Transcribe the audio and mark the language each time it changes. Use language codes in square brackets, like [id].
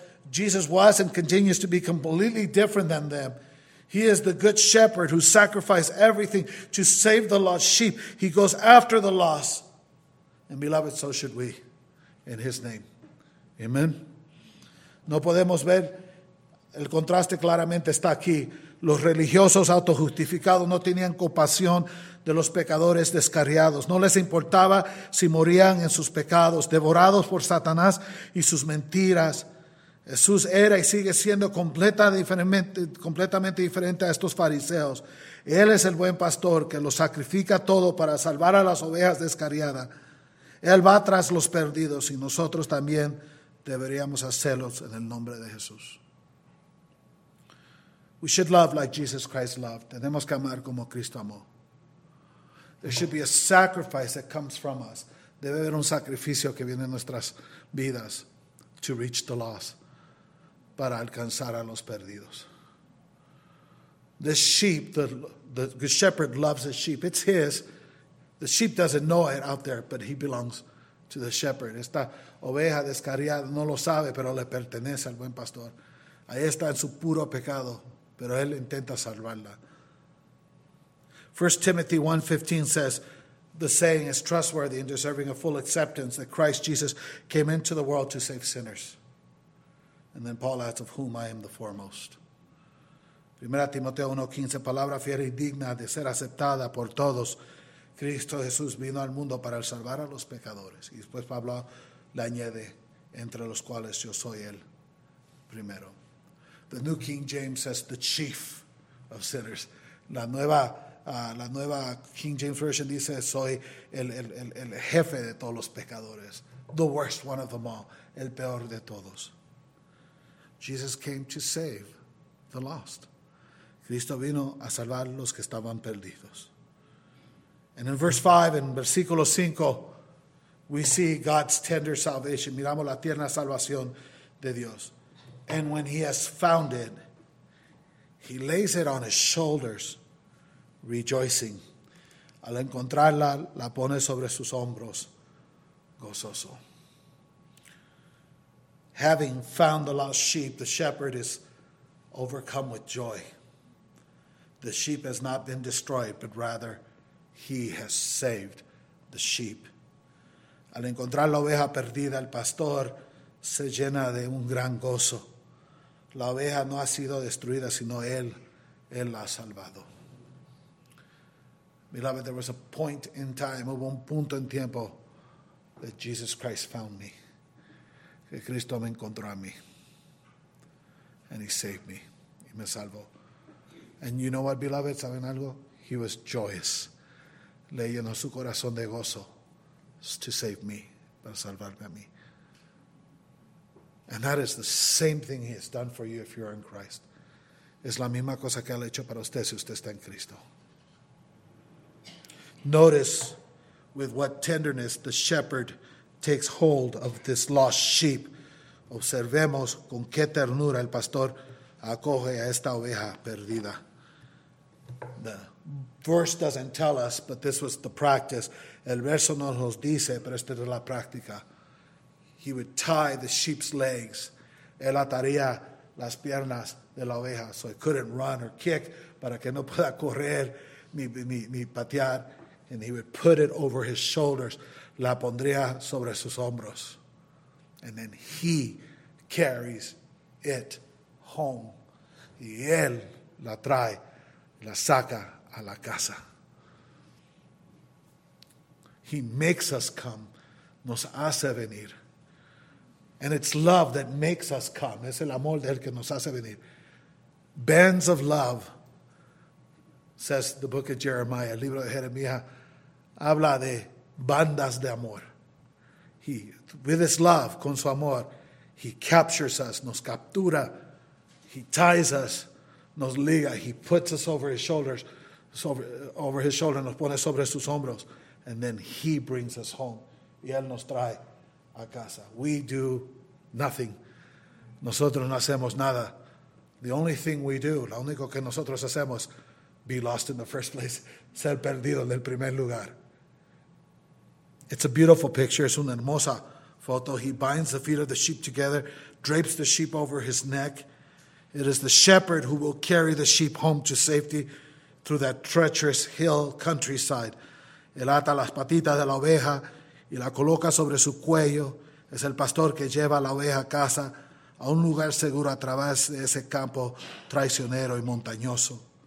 [en] Jesus was and continues to be completely different than them. He is the good shepherd who sacrificed everything to save the lost sheep. He goes after the lost. And beloved, so should we in his name. Amen. [es] No podemos ver, el contraste claramente está aquí. Los religiosos autojustificados no tenían compasión de los pecadores descarriados. No les importaba si morían en sus pecados, devorados por Satanás y sus mentiras. Jesús era y sigue siendo completamente diferente a estos fariseos. Él es el buen pastor que lo sacrifica todo para salvar a las ovejas descarriadas. Él va tras los perdidos y nosotros también deberíamos hacerlos en el nombre de Jesús. [en] We should love like Jesus Christ loved. [es] Tenemos que amar como Cristo amó. [en] There should be a sacrifice that comes from us. [es] Debe haber un sacrificio que viene en nuestras vidas [en] to reach the lost, [es] para alcanzar a los perdidos. [en] This sheep, the good shepherd loves his sheep. It's his. The sheep doesn't know it out there, but he belongs to the shepherd. [es] Esta oveja descarriada no lo sabe, pero le pertenece al buen pastor. Ahí está en su puro pecado, pero él intenta salvarla. [en] 1 Timothy 1:15 says, the saying is trustworthy and deserving of full acceptance that Christ Jesus came into the world to save sinners. And then Paul adds, of whom I am the foremost. [es] 1 Timoteo 1:15, palabra fiel y digna de ser aceptada por todos. Cristo Jesús vino al mundo para salvar a los pecadores. Y después Pablo le añade, entre los cuales yo soy el primero. [en] The New King James says, the chief of sinners. [es] La nueva King James Version dice, soy el jefe de todos los pecadores. [en] The worst one of them all. [es] El peor de todos. [en] Jesus came to save the lost. [es] Cristo vino a salvar los que estaban perdidos. [en] And in verse 5, in versículo 5, we see God's tender salvation. [es] Miramos la tierna salvación de Dios. [en] And when he has found it, he lays it on his shoulders, rejoicing. [es] Al encontrarla, la pone sobre sus hombros, gozoso. [en] having found the lost sheep, the shepherd is overcome with joy. The sheep has not been destroyed, but rather he has saved the sheep. [es] Al encontrar la oveja perdida, el pastor se llena de un gran gozo. La oveja no ha sido destruida, sino él la ha salvado. [en] Beloved, there was a point in time, [es] hubo un punto en tiempo, [en] that Jesus Christ found me. [es] Que Cristo me encontró a mí. [en] And he saved me. [es] Y me salvó. [en] And you know what, beloved, [es] ¿saben algo? [en] He was joyous. [es] Le llenó su corazón de gozo [en] to save me, [es] para salvarme a mí. [en] And that is the same thing he has done for you if you are in Christ. [es] Es la misma cosa que ha hecho para usted si usted está en Cristo. [en] Notice with what tenderness the shepherd takes hold of this lost sheep. [es] Observemos con qué ternura el pastor acoge a esta oveja perdida. [en] The verse doesn't tell us, but this was the practice. [es] El verso no nos dice, pero esta es la práctica. [en] He would tie the sheep's legs. [es] Él ataría las piernas de la oveja [en] so it couldn't run or kick, [es] para que no pueda correr ni patear. [en] And he would put it over his shoulders. [es] La pondría sobre sus hombros. [en] And then he carries it home. [es] Y él la trae, la saca a la casa. [en] He makes us come. [es] Nos hace venir. [en] And it's love that makes us come. [es] Es el amor de él que nos hace venir. [en] Bands of love, says the book of Jeremiah, [es] libro de Jeremiah, habla de bandas de amor. [en] He, with his love, [es] con su amor, [en] he captures us, [es] nos captura, [en] he ties us, [es] nos liga, [en] he puts us over his shoulders, over his shoulder, [es] nos pone sobre sus hombros, [en] and then he brings us home. [es] Y él nos trae a casa. [en] We do nothing. [es] Nosotros no hacemos nada. [en] The only thing we do, [es] lo único que nosotros hacemos, [en] be lost in the first place, [es] ser perdido en el primer lugar. [en] It's a beautiful picture. [es] Es una hermosa foto. [en] He binds the feet of the sheep together, drapes the sheep over his neck. It is the shepherd who will carry the sheep home to safety through that treacherous hill countryside. [es] Él ata las patitas de la oveja y la coloca sobre su cuello. Es el pastor que lleva a la oveja a casa, a un lugar seguro a través de ese campo traicionero y montañoso.